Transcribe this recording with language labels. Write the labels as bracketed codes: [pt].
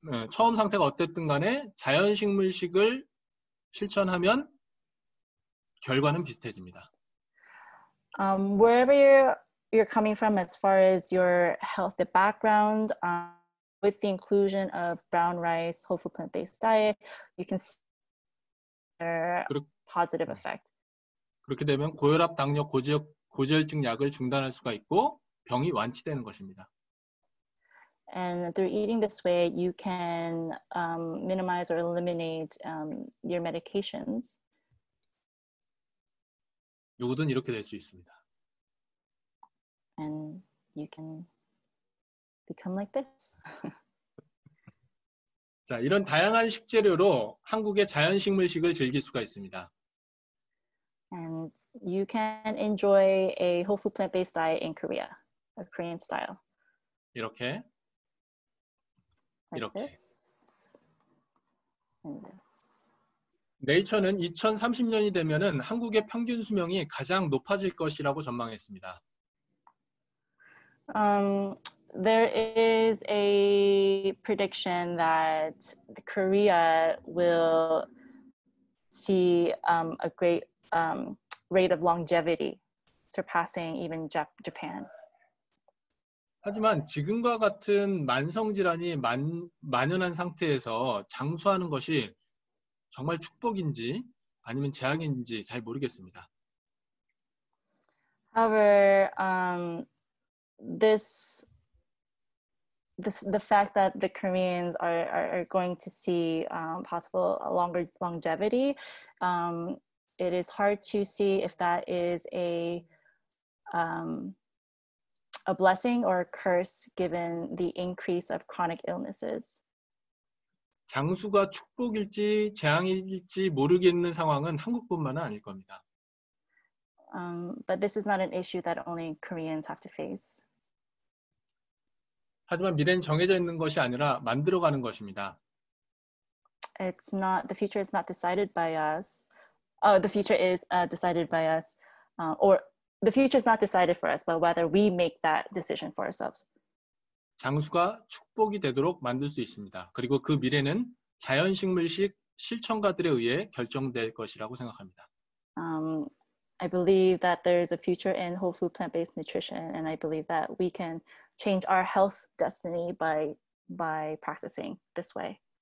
[ko] 처음 상태가 어떻든 간에 자연 식물식을 실천하면 결과는 비슷해집니다. [en] Wherever you're coming from, as far as your health background. With the inclusion of brown rice, whole food plant-based diet, you can see a positive effect. [ko] 그렇게 되면 고혈압, 당뇨, 고지혈증 약을 중단할 수가 있고 병이 완치되는 것입니다. [en] And through eating this way, you can minimize or eliminate your medications. [ko] 누구든 이렇게 될 수 있습니다. [en] And you can become like this. [ko] 자, 이런 다양한 식재료로 한국의 자연 식물식을 즐길 수가 있습니다. [en] And you can enjoy a whole food plant-based diet in Korea, a Korean style. [ko] 이렇게. [en] Like [ko] 이렇게. [en] This. And this. [ko] 네이처는 2030년이 되면은 한국의 평균 수명이 가장 높아질 것이라고 전망했습니다. [en] There is a prediction that Korea will see a great rate of longevity, surpassing even Japan. [ko] 하지만 지금과 같은 만성 질환이 만연한 상태에서 장수하는 것이 정말 축복인지 아니면 재앙인지 잘 모르겠습니다. [en] However, the fact that the Koreans are going to see possible a longer longevity, it is hard to see if that is a blessing or a curse given the increase of chronic illnesses. [ko] 장수가 축복일지 재앙일지 모르겠는 상황은 한국뿐만은 아닐 겁니다. [en] But this is not an issue that only Koreans have to face. [ko] 하지만 미래는 정해져 있는 것이 아니라 만들어가는 것입니다. [en] It's not, the future is not decided by us. The future is decided by us. The future is not decided for us, but whether we make that decision for ourselves. [ko] 장수가 축복이 되도록 만들 수 있습니다. 그리고 그 미래는 자연식물식 실천가들에 의해 결정될 것이라고 생각합니다. [en] I believe that there is a future in whole food plant-based nutrition, and I believe that we can change our health destiny by practicing this way.